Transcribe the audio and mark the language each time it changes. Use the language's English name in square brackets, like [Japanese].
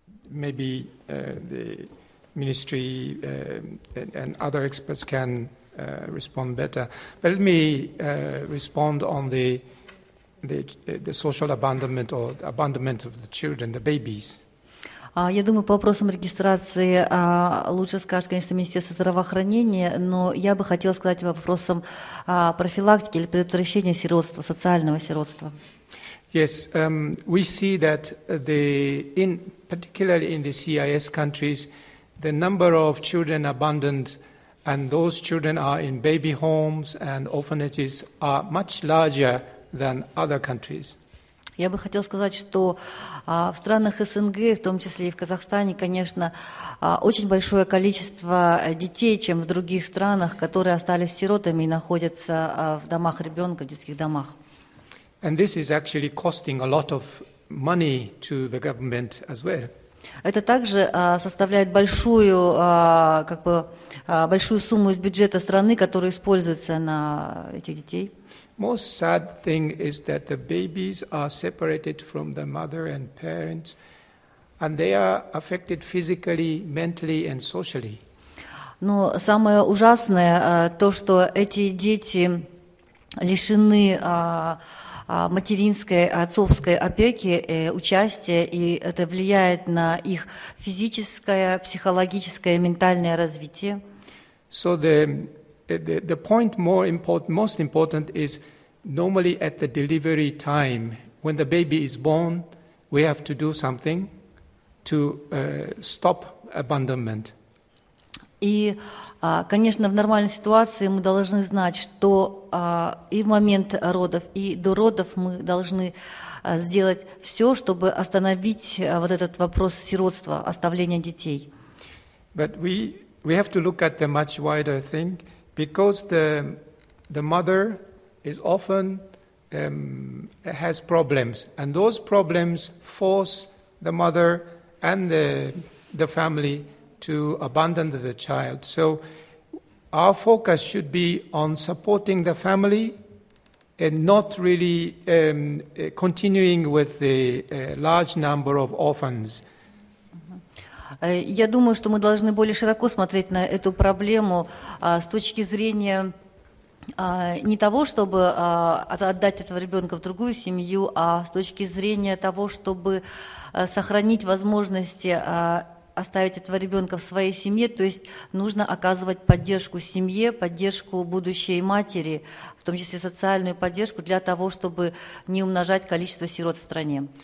[English] Maybe the ministry and other experts can respond better. But let me respond on the social abandonment or abandonment of the children, the babies. [Russian] Я думаю, по вопросам регистрации лучше скажет, конечно, Министерство здравоохранения, но я бы хотела сказать по вопросам профилактики или предотвращения сиротства, социального сиротства. [English] Yes, we see that particularly in the CIS countries, the number of children abandoned and those children are in baby homes and orphanages are much larger than other countries. [Russian] Я бы хотела сказать, что в странах СНГ, в том числе и в Казахстане, конечно, очень большое количество детей, чем в других странах, которые остались сиротами и находятся в домах ребенка, в детских домах. [English] And this is actually costing a lot of money to the government as well. [Russian] Это также составляет большую, как бы, большую сумму из бюджета страны, которая используется на этих детей. [English] Most sad thing is that the babies are separated from the mother and parents, and they are affected physically, mentally, and socially. [Russian] Но самое ужасное то, что эти дети лишены материнской, отцовской опеки, участия, и это влияет на их физическое, психологическое, ментальное развитие. [English] So the point most important is normally at the delivery time, when the baby is born, we have to do something to stop abandonment. [Russian] И, конечно, в нормальной ситуации мы должны знать, что и в момент родов, и до родов мы должны сделать все, чтобы остановить вот этот вопрос сиротства, оставления детей. [English] But we have to look at the much wider thing, because the mother is often has problems, and those problems force the mother and the family to abandon the child. So our focus should be on supporting the family and not really continuing with the large number of orphans. [Russian] Я думаю, что мы должны более широко смотреть на эту проблему с точки зрения не того, чтобы отдать этого ребенка в другую семью, а с точки зрения того, чтобы сохранить возможности оставить этого ребенка в своей семье, то есть нужно оказывать поддержку семье, поддержку будущей матери, в том числе социальную поддержку, для того, чтобы не умножать количество сирот в стране.